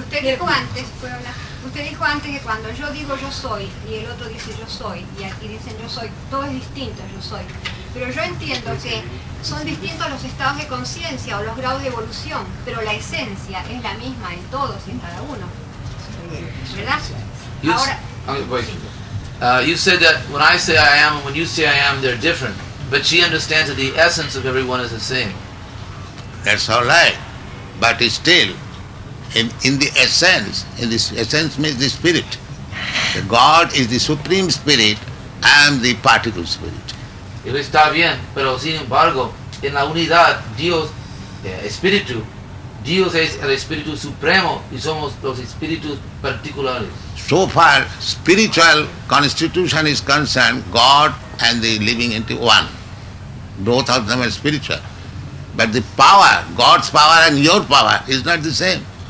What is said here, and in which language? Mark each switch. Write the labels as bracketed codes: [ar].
[es] usted dijo antes que cuando yo digo yo soy y el otro dice yo soy y aquí dicen yo soy, todo es distinto, yo soy. Pero yo entiendo que son distintos los estados de conciencia o los grados de evolución, pero la esencia es la misma en todos y en cada uno. ¿Verdad? [en] Ahora, you said that when I say I am and when you say I am they're different, but she understands that the essence of everyone is the same. That's all right, but still, in the essence, in this essence means the spirit. The God is the supreme spirit, I am the particle spirit. [es] Eso está bien, pero sin embargo, en la unidad, Dios, espíritu, Dios es el espíritu supremo y somos los espíritus particulares. [en] So far, spiritual constitution is concerned, God and the living entity one. Both of them are spiritual. But the power, God's power and your power, is not the same.